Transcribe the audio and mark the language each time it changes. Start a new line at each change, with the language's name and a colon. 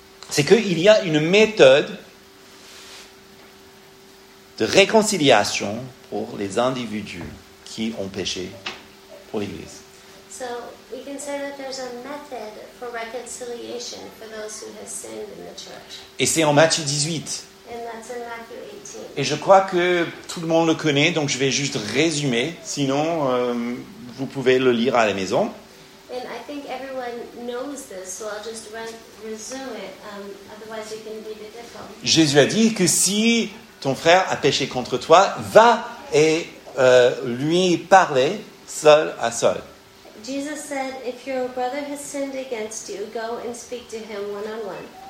French: C'est qu'il y a une méthode de réconciliation pour les individus qui ont péché pour l'Église.
English: So we can say that there's a method for reconciliation for those who have sinned in the church.
French: Et c'est en Matthieu 18.
English: And that's in Matthew 18.
French: Et je crois que tout le monde le connaît, donc je vais juste résumer, sinon vous pouvez le lire à la maison.
English: And I think everyone knows this, so I'll just resume it, otherwise you can read it at home.
French: Jésus a dit que si ton frère a péché contre toi, va et lui parler seul à seul.
English: Jesus said, if your brother has sinned against you, go and speak to him one on one.